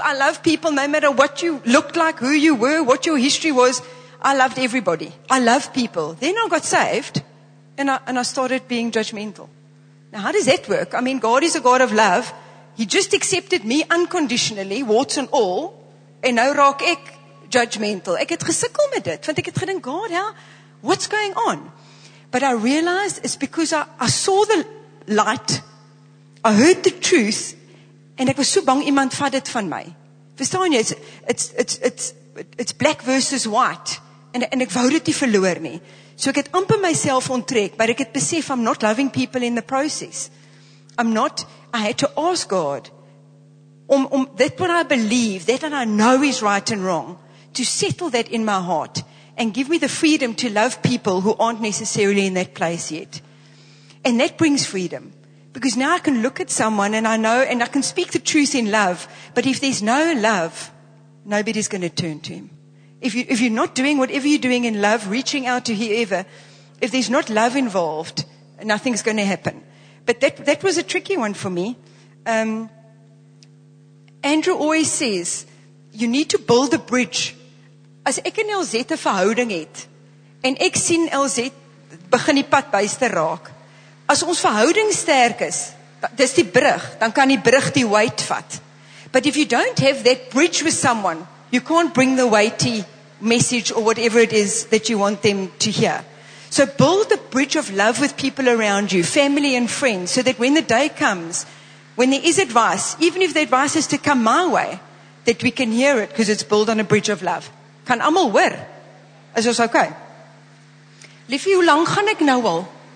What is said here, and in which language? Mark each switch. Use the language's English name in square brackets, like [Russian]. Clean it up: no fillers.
[English] I love people no matter what you looked like, who you were, what your history was. I loved everybody. I love people. Then I got saved and I started being judgmental. Now, how does that work? I mean, God is a God of love. He just accepted me unconditionally, warts and all. [Afrikaans] En nou raak ek judgmental. Ek het gesukkel met dit, want ek het gedink, God, how? [English] What's going on? But I realized it's because I saw the light, I heard the truth, and [Afrikaans] ek was so bang iemand vat dit van my. Verstaan jy? [English] It's black versus white. [Afrikaans] En ek wou dit nie verloor nie. [English] So [Afrikaans] ek het amper myself onttrek, [English] but [Afrikaans] ek het besef [English] I'm not loving people in the process. I had to ask God om that what I believe, that and I know is right and wrong, to settle that in my heart. And give me the freedom to love people who aren't necessarily in that place yet. And that brings freedom. Because now I can look at someone and I know, and I can speak the truth in love. But if there's no love, nobody's going to turn to him. If you're not doing whatever you're doing in love, reaching out to whoever, if there's not love involved, nothing's going to happen. But that was a tricky one for me. Andrew always says, you need to build a bridge. [Afrikaans] As ek en LZ 'n verhouding het, en ek sien LZ begin die pad byster raak, as ons verhouding sterk is, dis die brug, dan kan die brug die weight vat. [English] But if you don't have that bridge with someone, you can't bring the weighty message or whatever it is that you want them to hear. So build a bridge of love with people around you, family and friends, so that when the day comes, when there is advice, even if the advice is to come my way, that we can hear it because it's built on a bridge of love. [Afrikaans] Kan almal hoor? Is ons okay? Liefie, hoe lang gaan ek nou al?